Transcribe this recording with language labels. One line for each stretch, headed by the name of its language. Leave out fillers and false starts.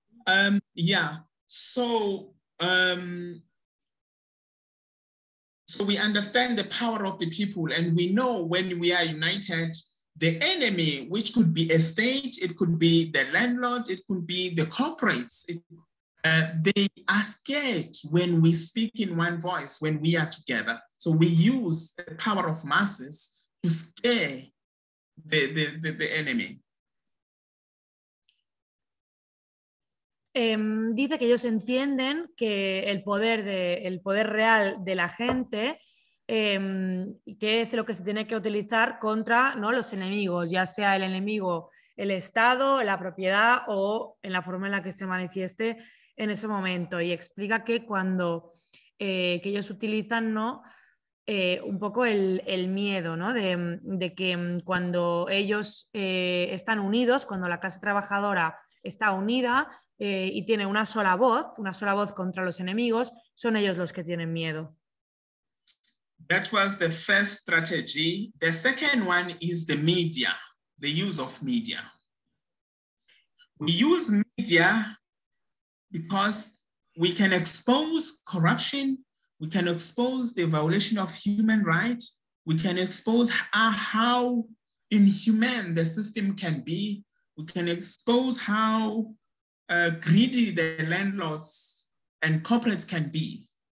English: So we understand the power of the people and we know when we are united, the enemy, which could be a state, it could be the landlord, it could be the corporates, it They are scared when we speak in one voice, when we are together. So we use the power of masses to scare the enemy.
Spanish: Dice que ellos entienden que el poder real de la gente, que es lo que se tiene que utilizar contra, ¿no?, los enemigos, ya sea el enemigo, el Estado, la propiedad o en la forma en la que se manifieste en ese momento. Y explica que cuando que ellos utilizan, ¿no?, un poco el miedo, ¿no?, de que cuando ellos están unidos, cuando la clase trabajadora está unida y tiene una sola voz contra los enemigos, son ellos los que tienen miedo.
English: That was the first strategy. The second one is the media, the use of media. We use media because we can expose corruption, we can expose the violation of human rights, we can expose how inhumane the system can be, we can expose how greedy the landlords and corporates can be.